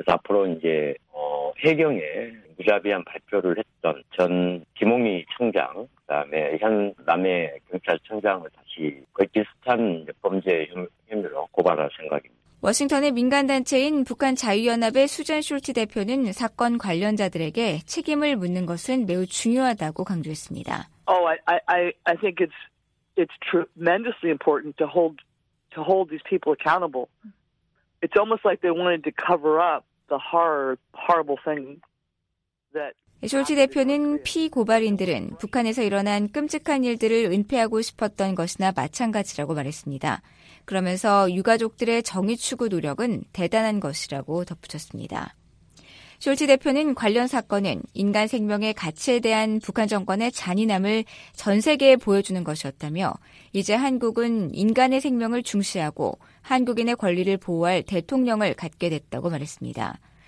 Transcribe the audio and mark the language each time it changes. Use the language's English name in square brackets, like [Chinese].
[Korean] 앞으로 이제 해경에 무자비한 발표를 했던 전 김홍희 청장, 그다음에 현 남해 경찰청장을 다시 거의 비슷한 범죄 혐의로 고발할 생각입니다. 워싱턴의 민간단체인 북한자유연합의 수잔 숄티 대표는 사건 관련자들에게 책임을 묻는 것은 매우 중요하다고 강조했습니다. [English] I think it's tremendously important to hold these people accountable. It's almost like they wanted to cover up the horrible thing that. [Korean] 숄티 대표는 피고발인들은 북한에서 일어난 끔찍한 일들을 은폐하고 싶었던 것이나 마찬가지라고 말했습니다. 그러면서 유가족들의 정의 추구 노력은 대단한 것이라고 덧붙였습니다. 숄티 대표는 관련 사건은 인간 생명의 가치에 대한 북한 정권의 잔인함을 전 세계에 보여주는 것이었다며 이제 한국은 인간의 생명을 중시하고 한국인의 권리를 보호할 대통령을 갖게 됐다고 말했습니다.